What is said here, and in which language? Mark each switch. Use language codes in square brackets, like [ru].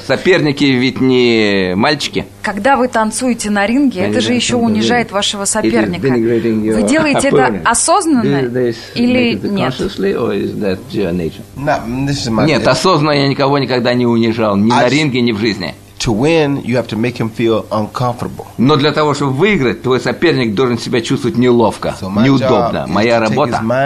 [ru] Соперники ведь не мальчики. Когда вы танцуете на ринге, это же еще унижает вашего соперника. Вы делаете это осознанно или нет? Нет, осознанно я никого никогда не унижал, ни на ринге, ни в жизни. [en] To win, you have to make him feel uncomfortable. [ru] Но для того, чтобы выиграть, твой соперник должен себя чувствовать неловко, неудобно. Моя работа.